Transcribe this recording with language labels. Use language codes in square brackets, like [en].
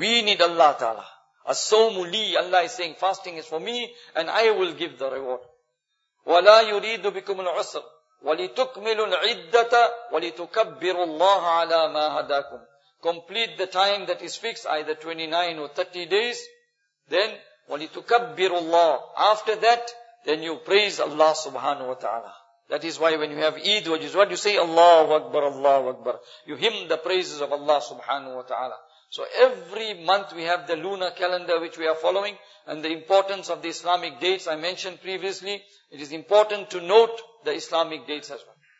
[en] We need Allah Ta'ala. [ar] أَصَّوْمُ لِي. [en] Allah is saying, fasting is for me and I will give the reward. [ar] وَلَا يُرِيدُ بِكُمُ الْعُسْرِ وَلِتُكْمِلُ الْعِدَّةَ وَلِتُكَبِّرُ اللَّهَ عَلَىٰ مَا هَدَاكُمْ. [en] Complete the time that is fixed, either 29 or 30 days. [ar] Then, وَلِتُكَبِّرُ اللَّهَ. [en] After that, then you praise Allah subhanahu wa ta'ala. That is why when you have Eid, what you say? Allahu Akbar, Allahu Akbar. You hymn the praises of Allah subhanahu wa ta'ala. So every month we have the lunar calendar which we are following, and the importance of the Islamic dates I mentioned previously. It is important to note the Islamic dates as well.